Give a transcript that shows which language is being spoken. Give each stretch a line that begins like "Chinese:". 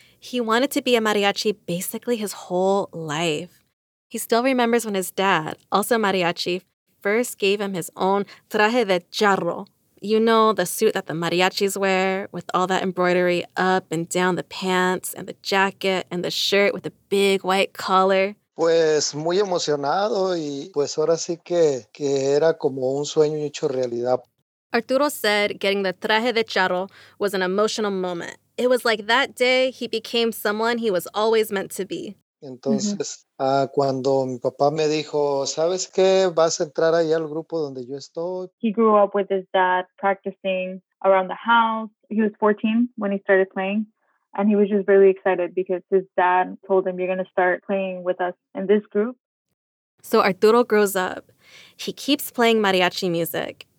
English: He wanted to be a mariachi basically his whole life. He still remembers when his dad, also mariachi, first gave him his own traje de charro. You know, the suit that the mariachis wear with all that embroidery up and down the pants and the jacket and the shirt with the big white collar.
Spanish: Pues muy emocionado y pues ahora sí que era como un sueño hecho realidad.
English: Arturo said getting the traje de charro was an emotional moment. It was like that day he became someone he was always meant to be.
Spanish: Entonces, cuando mi papá me dijo, ¿sabes qué? Vas a entrar ahí al grupo donde yo estoy.
English: He grew up with his dad practicing around the house. He was 14 when he started playing, and he was just really excited because his dad told him, you're going to start playing with us in this group. So Arturo grows up. He keeps playing mariachi music.